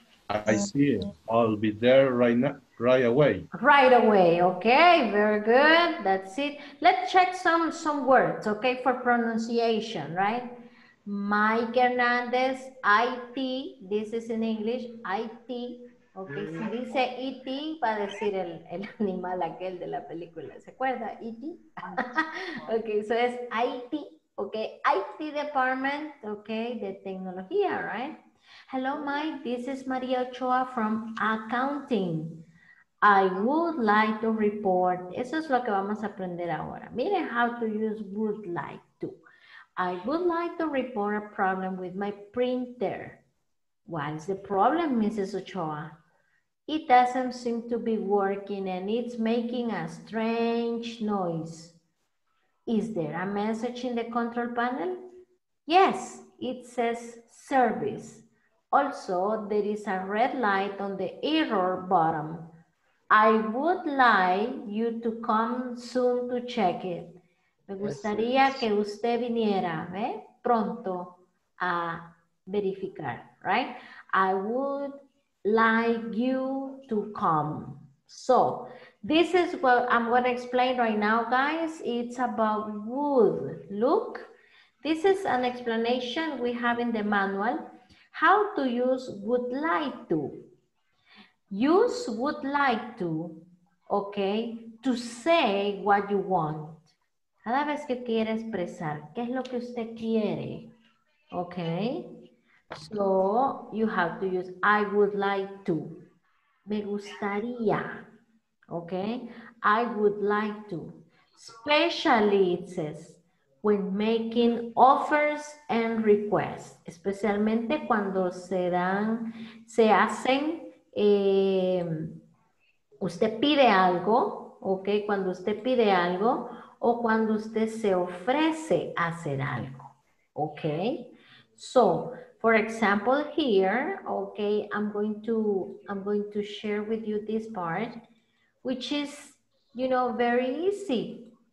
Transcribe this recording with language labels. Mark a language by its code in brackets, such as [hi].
[en] I see it. I'll be there right now, right away. Right away, okay, very good. That's it. Let's check some words, okay, for pronunciation, right? Mike Hernandez, IT, this is in English, IT. [es] Okay, si dice E.T., va a decir el animal aquel de la película. ¿Se acuerda? E.T.? Okay, so es IT. [en] Okay, IT department. Okay, [es] de tecnología, [en] right? Hello, Mike. This is Maria Ochoa from accounting. I would like to report. [es] Eso es lo que vamos a aprender ahora. Miren [en] how to use would like to. I would like to report a problem with my printer. What is the problem, Mrs. Ochoa? It doesn't seem to be working and it's making a strange noise. Is there a message in the control panel? Yes, it says service. Also, there is a red light on the error bottom. I would like you to come soon to check it. [es] Me gustaría que usted viniera, ¿eh? Pronto a verificar, right? [en] I would like you to come. So this is what I'm going to explain right now, guys. It's about would. Look, this is an explanation we have in the manual. How to use would like to. Use would like to, okay, to say what you want. [es] Cada vez que quiere expresar, ¿qué es lo que usted quiere? [en] Okay. So, you have to use I would like to. [es] Me gustaría. [en] Okay? I would like to. Especially, it says, when making offers and requests. [es] Especialmente cuando se hacen, usted pide algo, okay? Cuando usted pide algo, o cuando usted se ofrece hacer algo. [en] Okay? So, for example, here, okay, I'm going to share with you this part, which is, you know, very easy.